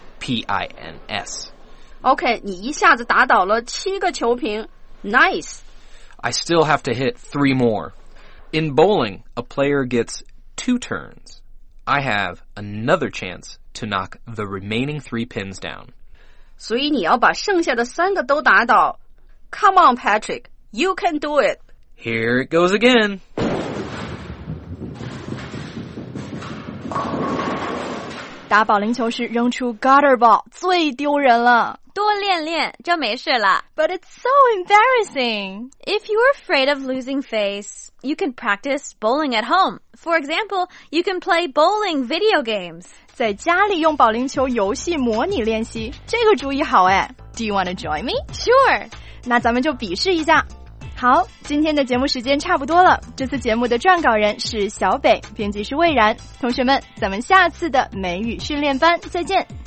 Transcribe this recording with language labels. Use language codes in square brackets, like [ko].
[en] P-I-N-S. [zh] Okay, 你一下子打倒了七个球瓶。Nice. [en] I still have to hit 3 more. In bowling, a player gets 2 turns. I have another chance to knock the remaining 3 pins down. [zh] 所以你要把剩下的三个都打倒。 [en] Come on, Patrick. You can do it. Here it goes again. [zh] 打保龄球时扔出 gutter ball 最丢人了，多练练就没事了。 [en] But it's so embarrassing. If you're afraid of losing face, you can practice bowling at home. For example, you can play bowling video games. [zh] 在家里用保龄球游戏模拟练习，这个主意好哎。 [en] Do you want to join me? Sure. [zh] 那咱们就比试一下。好，今天的节目时间差不多了。这次节目的撰稿人是小北，编辑是蔚然。同学们，咱们下次的美语训练班再见，